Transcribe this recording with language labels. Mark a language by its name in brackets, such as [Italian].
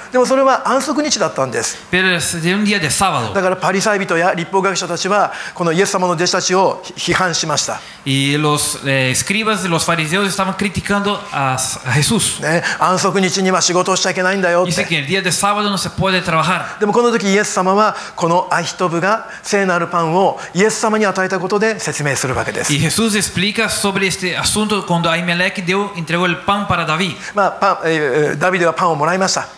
[Japanese] でもそれは安息日だったんです。 [Spanish] Pero es de un día de sábado。 [Japanese] だからパリサイ人や律法学者たちはこのイエス様の弟子たちを批判しました。 [Spanish] Y los escribas y los fariseos estaban criticando a Jesús。 [Japanese] ね、安息日には仕事をしちゃいけないんだよって。 [Spanish] Dice que el día de sábado no se puede trabajar。 [Japanese] でもこの時イエス様はこのアヒトブが聖なるパンをイエス様に与えたことで説明するわけです。 [Spanish] Y Jesús explica sobre este asunto cuando Ahimelech dio entregó el pan para David. [Japanese] まあ、ダビデはパンをもらいました。